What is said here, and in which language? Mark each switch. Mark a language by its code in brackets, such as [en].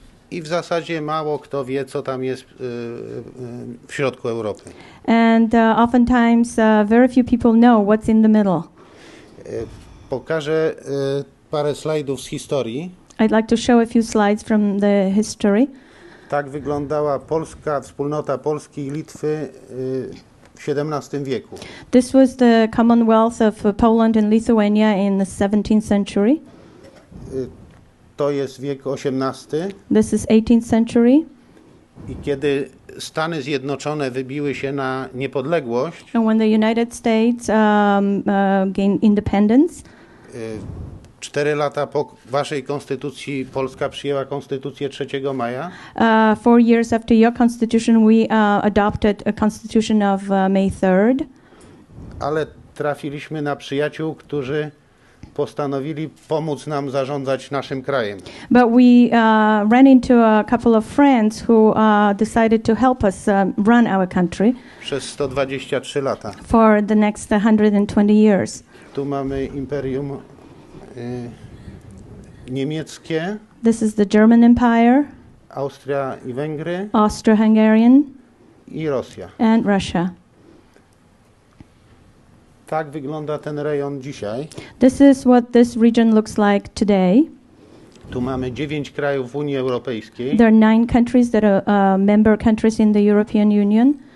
[pl] I w zasadzie mało kto wie, co tam jest w środku Europy. [en] And oftentimes very few people know what's in the middle. [pl] Pokażę parę slajdów z historii. [en] I'd like to show a few slides from the history. [pl] Tak wyglądała Polska, wspólnota Polski i Litwy w XVII wieku. [en] This was the Commonwealth of Poland and Lithuania in the 17th century. [pl] To jest wiek XVIII. [en] This is 18th century. [pl] I kiedy Stany Zjednoczone wybiły się na niepodległość. [en] And when the United States gained independence. [pl] Cztery lata po waszej konstytucji Polska przyjęła konstytucję 3 maja. [en] 4 years after your constitution, we adopted a constitution of May 3rd. [pl] Ale trafiliśmy na przyjaciół, którzy postanowili pomóc nam zarządzać naszym krajem. [en] But we ran into a couple of friends who decided to help us run our country. [pl] Przez 123 lata. [en] For the next 120 years. [pl] Tu mamy imperium niemieckie. [en] This is the German Empire. [pl] Austria i Węgry. [en] Austro-Hungarian. [pl] I Rosja. [en] And Russia. [pl] Tak wygląda ten rejon dzisiaj. [en] This is what this region looks like today. [pl] Tu mamy 9 krajów w Unii Europejskiej. [en] There are 9 countries that are member countries in the European Union.